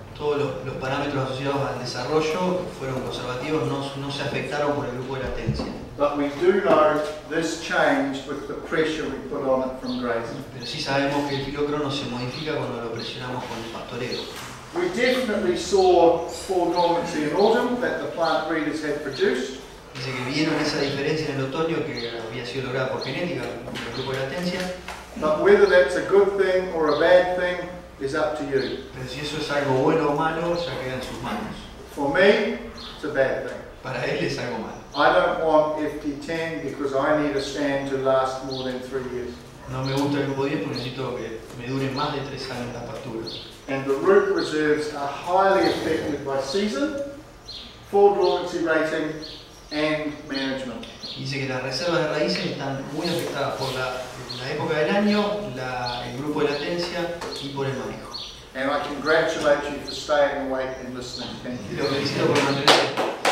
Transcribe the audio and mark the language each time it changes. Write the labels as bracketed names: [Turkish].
[Spanish] Todos los parámetros asociados al desarrollo fueron conservativos, no se afectaron por el grupo de latencia. [English] But we do know this changed with the pressure we put on it from grazing. [Spanish] Pero sí sabemos que el filocrono se modifica cuando lo presionamos con el pastoreo. [English] We definitely saw full dormancy in autumn that the plant breeders had produced. [Spanish] Dice que vieron esa diferencia en el otoño que había sido lograda por genética en el grupo de latencia. [English] But whether that's a good thing or a bad thing is up to you. [Spanish] Pero si eso es algo bueno o malo, ya queda en sus manos. [English] For me, it's a bad thing. [Spanish] Para él es algo malo. [English] I don't want FT10 because I need a stand to last more than 3 years. [Spanish] No me gusta el grupo 10 porque necesito que me dure más de 3 años la pastura. [English] And the root reserves are highly affected by season, full dormancy rating, and management. [Spanish] Dice que las reservas de raíces están muy afectadas por la época del año, el grupo de latencia y por el manejo. [English] And I congratulate you for staying awake and listening. Thank you.